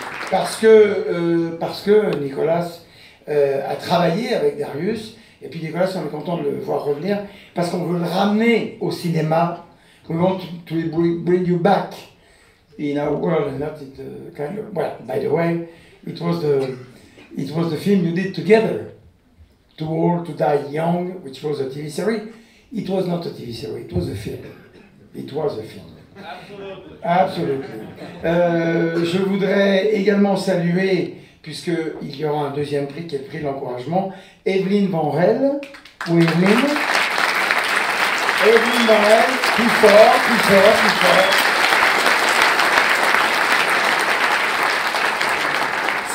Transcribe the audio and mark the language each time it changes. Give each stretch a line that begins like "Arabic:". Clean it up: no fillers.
French: Parce que Nicolas a travaillé avec Darius, et puis Nicolas, on est content de le voir revenir, parce qu'on veut le ramener au cinéma.
English: We want to bring you back in our world, and not in the kind of... Well, by the way, it was the film you did together, To All, To Die Young, which was a TV series. It was not a TV series, it was a film. It was a film. Absolutely.
French: Je voudrais également saluer, puisqu'il y aura un deuxième prix qui est le prix de l'encouragement, Evelyne Van Rel. Ou Evelyne. Evelyne Van Rel, plus fort, plus fort, plus fort.